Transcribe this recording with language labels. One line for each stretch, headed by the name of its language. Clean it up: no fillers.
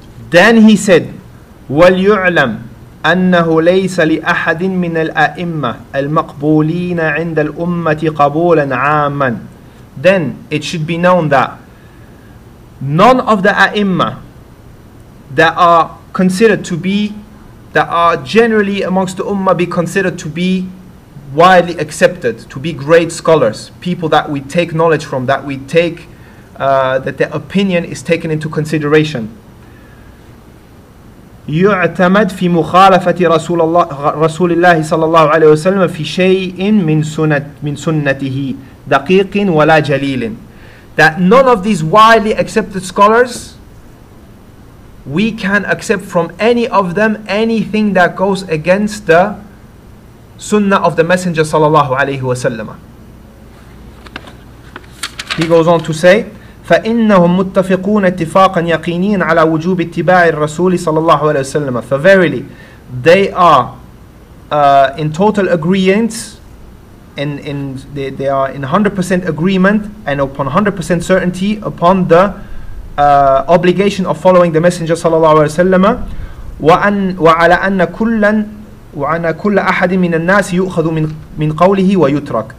English: Then he said,
Arabic: وَلْيُعْلَمْ أَنَّهُ لَيْسَ لِأَحَدٍ مِّنَ الْأَئِمَّةِ الْمَقْبُولِينَ عِنْدَ الْأُمَّةِ قَبُولًا عَامًا
English: Then it should be known that none of the a'imma that are considered to be, that are generally amongst the ummah, be considered to be widely accepted, to be great scholars, people that we take knowledge from, that we take that their opinion is taken into consideration.
Arabic: يُعْتَمَدْ فِي مُخَالَفَةِ رَسُولِ اللَّهِ صَلَّى اللَّهُ عَلَيْهِ وَسَلَّمَ فِي شَيْءٍ مِنْ سُنَّتِهِ دَقِيقٍ وَلَا جَلِيلٍ
English: That none of these widely accepted scholars we can accept from any of them anything that goes against the sunnah of the Messenger sallallahu alayhi wa sallam. He goes on to say,
Arabic: فَإِنَّهُمْ مُتَّفِقُونَ اتِّفَاقًا يَقِينِينَ عَلَى وُجُوبِ اتِّبَاعِ الرَّسُولِ صَلَى اللَّهُ عَلَيْهِ وَسَلَّمَ.
English: For verily, they are in total agreement, they are in 100% agreement and upon 100% certainty upon the obligation of following the Messenger صلى الله عليه وسلم.
Arabic: وَعَلَى أَنَّ كُلًّا وَعَنَى كُلَّ أَحَدٍ مِنَ النَّاسِ يُؤْخَذُ مِنْ قَوْلِهِ وَيُتْرَكَ.